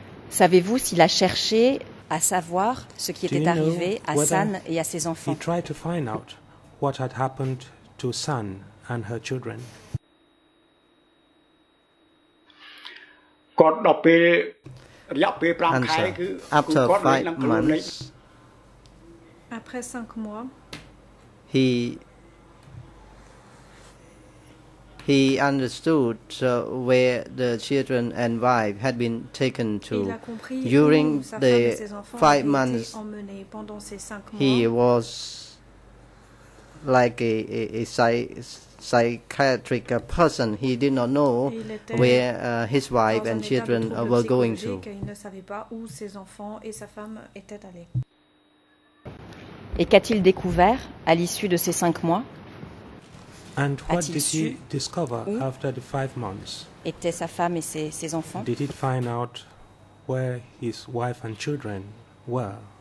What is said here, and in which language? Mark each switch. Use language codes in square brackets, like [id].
[fr] Savez-vous s'il a cherché à savoir ce qui était arrivé à San et à ses enfants? [en] He tried to find out what had happened to San and her children. Answer. After 5 months, [fr] après 5 mois, [en] he he understood where the children and wife had been taken to. During the 5 months, he was like a psychiatric person. He did not know where his wife and children were going to. [fr] Il ne savait pas où ses enfants et sa femme étaient allés. Et qu'a-t-il découvert à l'issue de ces 5 mois? [en] And what did he discover after the 5 months? [fr] Étaient sa femme et ses enfants? [en] Did he find out where his wife and children were?